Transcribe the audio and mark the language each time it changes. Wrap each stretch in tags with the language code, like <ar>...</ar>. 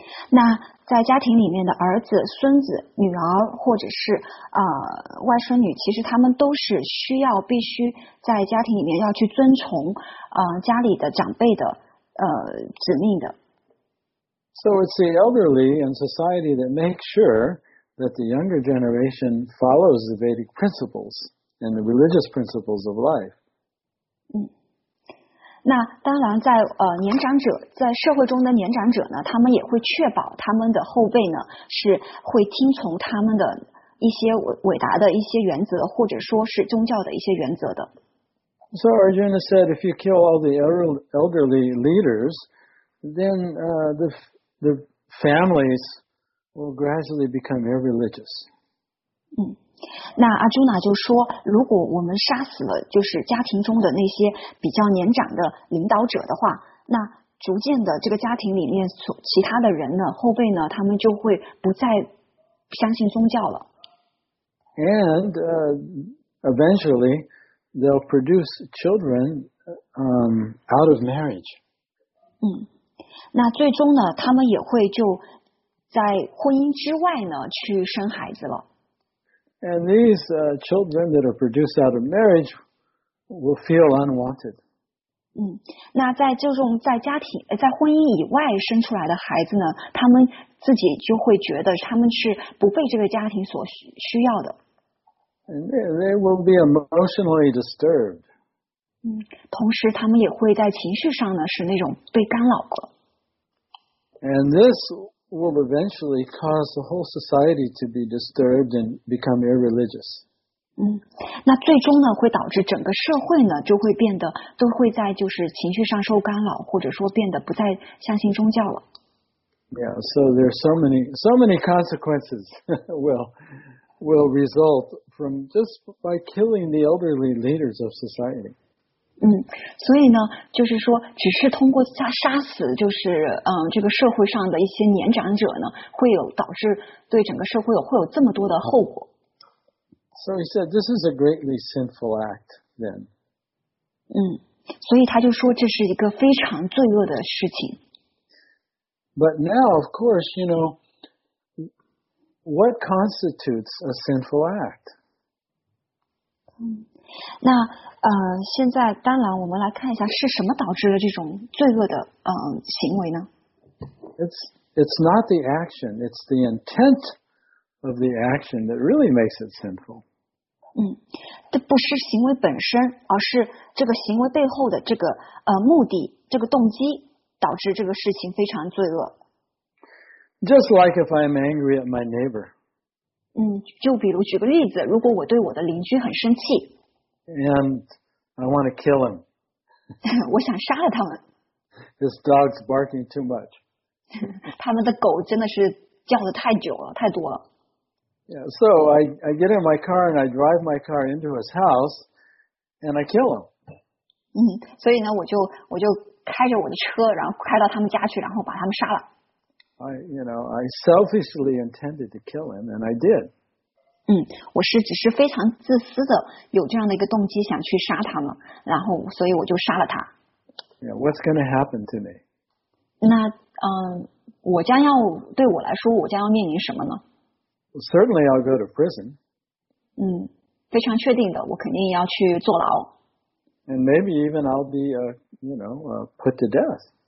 <zh>那在家庭里面的儿子、孙子、女儿，或者是外孙女，其实他们都是需要必须在家庭里面要去遵从家里的长辈的指令的。</zh> <en>So it's the elderly in society that make sure that the younger generation follows the Vedic principles and the religious principles of life.</en> <zh>那当然在年长者在社会中的年长者呢，他们也会确保他们的后辈呢是会听从他们的一些伟达的一些原则，或者说是宗教的一些原则的。</zh> <en>So Arjuna said, if you kill all the elderly leaders, then the families will gradually become irreligious.</en> <zh>那阿朱娜就说，如果我们杀死了就是家庭中的那些比较年长的领导者的话，那逐渐的这个家庭里面其他的人呢，后辈呢，他们就会不再相信宗教了。</zh> <en>And eventually they'll produce children out of marriage.</en> <zh>那最终呢，他们也会就在婚姻之外呢去生孩子了。</zh> <en>And these children that are produced out of marriage will feel unwanted.</en> <zh>那在这种在家庭在婚姻以外生出来的孩子呢，他们自己就会觉得他们是不被这个家庭所需要的。</zh> <en>And they will be emotionally disturbed.</en> <zh>同时他们也会在情绪上呢是那种被干扰的。</zh> <en>And this. Will eventually cause the whole society to be disturbed and become irreligious.</en> <zh>那最终呢，会导致整个社会呢，就会变得都会在就是情绪上受干扰，或者说变得不再相信宗教了。</zh> <en>Yeah, so there are so many consequences will result from just by killing the elderly leaders of society.</en> <zh>所以呢，就是说，只是通过杀死，就是这个社会上的一些年长者呢，会有导致对整个社会会有这么多的后果。</zh> <en>So he said, this is a greatly sinful act, then.</en> <zh>所以他就说这是一个非常罪恶的事情。</zh> <en>But now, of course, you know, what constitutes a sinful act?</en> <zh>那现在当然我们来看一下是什么导致了这种罪恶的行为呢？</zh> <en>It's not the action, it's the intent of the action that really makes it sinful.</en> <zh>这不是行为本身，而是这个行为背后的这个目的，这个动机导致这个事情非常罪恶。</zh> <en>Just like if I'm angry at my neighbor.</en> <zh>就比如举个例子，如果我对我的邻居很生气。</zh> <en>And I want to kill him.</en> <zh>我想杀了他们。</zh> <en>His dog's barking too much.</en> <zh>他们的狗真的是叫的太久了，太多了。</zh> <en>Yeah, so I get in my car and I drive my car into his house and I kill him.</en> <zh>所以呢，我就开着我的车，然后开到他们家去，然后把他们杀了。</zh> <en>I selfishly intended to kill him and I did.</en> <zh>我是只是非常自私的，有这样的一个动机想去杀他们，然后所以我就杀了他。</zh> <en>Yeah, what's going to happen to me?</en> <zh>那我将要对我来说，我将要面临什么呢</zh> <en>well, ？Certainly, I'll go to prison.</en> <zh>非常确定的，我肯定要去坐牢。</zh> <en>And maybe even I'll be put to death.</en>